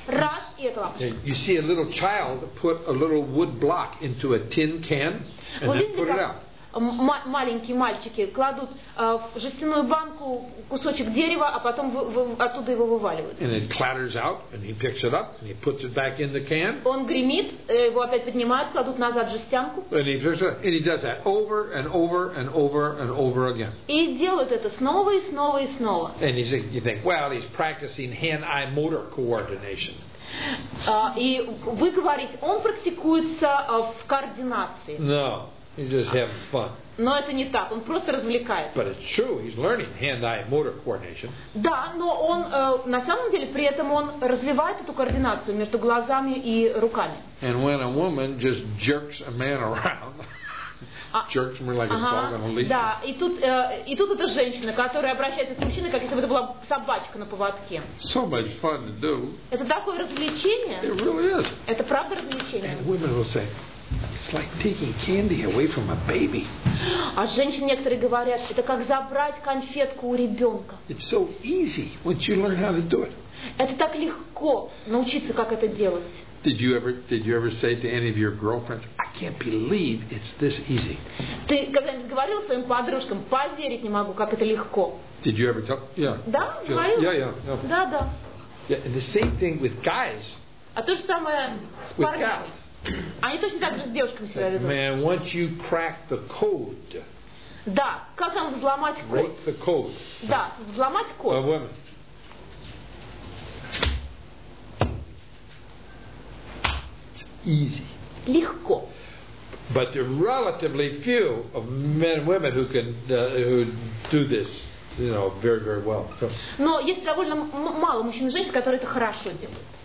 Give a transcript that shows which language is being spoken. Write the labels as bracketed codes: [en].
[ru] Раз, и эта лампочка. [en] And you see a little child put a little wood block into a tin can, and [ru] вот [en] then put it out. [ru] Маленькие мальчики кладут в жестяную банку кусочек дерева, а потом оттуда его вываливают. [en] And it clatters out, and he picks it up, and he puts it back in the can. [ru] Он гремит, его опять поднимают, кладут назад в жестянку. [en] And he picks it up, and he does that over and over and over and over again. [ru] И делают это снова и снова и снова. [en] And you think, well, he's practicing hand-eye motor coordination. [ru] И вы говорите, он практикуется в координации. [en] No. He's just having fun. [ru] Но это не так. Он просто развлекается. [en] But it's true. He's learning hand-eye motor coordination. [ru] Да, но он на самом деле при этом он развивает эту координацию между глазами и руками. [en] And when a woman just jerks a man around, jerks him like a dog on a leash. [ru] Да, и тут эта женщина, которая обращается с мужчиной, как если бы это была собачка на поводке. [en] So much fun to do. [ru] Это такое развлечение. [en] It really is. [ru] Это правда развлечение. [en] And women will say. It's like taking candy away from a baby. [ru] А женщины некоторые говорят, это как забрать конфетку у ребенка. [en] It's so easy once you learn how to do it. [ru] Это так легко научиться, как это делать. [en] Did you ever say to any of your girlfriends, I can't believe it's this easy? [ru] Ты когда-нибудь говорил своим подружкам, поверить не могу, как это легко? [en] Did you ever tell? Yeah. [ru] Да, говорил. [en] Yeah. [ru] Да, да. [en] Yeah, and the same thing with guys. [ru] А то же самое с парнями. Они точно так же с девушками себя ведут. [en] Man, once you crack the code. [ru] Да, как там взломать код? [en] Break the code. [ru] Да, взломать код. [en] Of women. Easy. [ru] Легко. [en] But there are relatively few of men and women who can who do this, you know, very, very well. [ru] Но есть довольно мало мужчин и женщин, которые это хорошо делают.